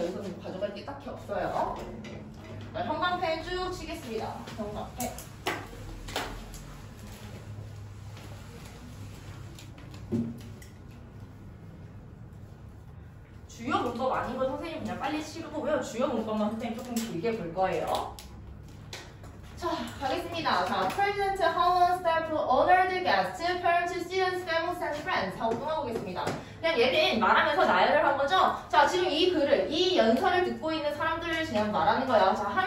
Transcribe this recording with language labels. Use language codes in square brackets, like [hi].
[ko] 여기서는 가져갈 게 딱히 없어요. 자, 형광펜 쭉 치겠습니다. 형광펜. 주요 문법 아닌 건 선생님 그냥 빨리 치르고요. 주요 문법만 선생님 조금 길게 볼 거예요. 자, 가겠습니다. [en] 자, President Holland Staff to honored guests, parents, students, families, and friends. [ko] 자, 오픈하고 있습니다. 그냥 얘는 말하면서 나열을 한 거죠. 자, 지금 이 글을, 이 연설을 듣고 있는 사람들을 그냥 말하는 거예요. 자,